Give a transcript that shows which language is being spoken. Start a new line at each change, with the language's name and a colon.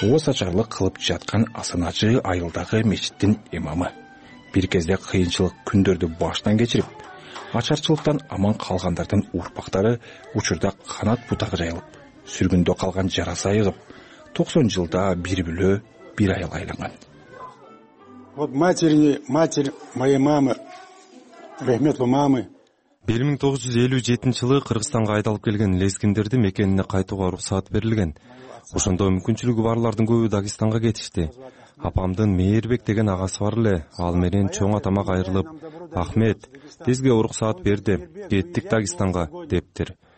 Kyrgyz: Ооз ачарлык кылып жаткан Асаначы айылдагы мечиттин имамы. Бир кезде кыйынчылык күндөрдү баштан кечирип, ачарчылыктан аман калгандардын урпактары учурда канат бутагы жайылып, сүргүндө калган жарасы айыгып, 90 жылда бир бүлө бир айыл айланган.
Russian: Вот матерь моей мамы, рахметлу мамы.
Kyrgyz: 1957 жылы Кыргызстанга айдалып келген лезгиндерди мекенине кайтууга уруксат берилген. Ошондо мүмкүнчүлүгү барлардын көбү Дагестанга кетишти. Апамдын Мээрбек деген агасы бар эле, ал менен чоң атама кайрылып, Ахмет, бизге уруксат берди, кеттик Дагестанга дептир.